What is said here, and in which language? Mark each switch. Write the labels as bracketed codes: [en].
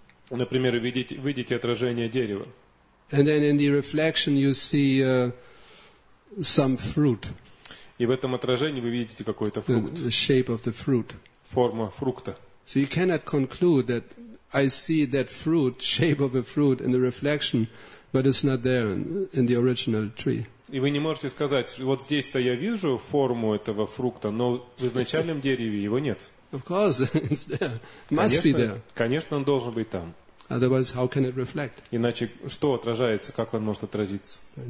[ru] Например, видите отражение дерева. [en] And then in the reflection you see some fruit. [ru] И в этом отражении вы видите какой-то фрукт. [en] The shape of the fruit. [ru] Форма фрукта. [en] So you cannot conclude that I see that fruit, shape of a fruit in the reflection, but it's not there in the original tree. [ru] И вы не можете сказать, вот здесь-то я вижу форму этого фрукта, но в изначальном дереве его нет. [en] Of course, it's there. Must be there. [ru] Конечно, он должен быть там. [en] Otherwise, how can it reflect? [ru] Иначе что отражается, как он может отразиться?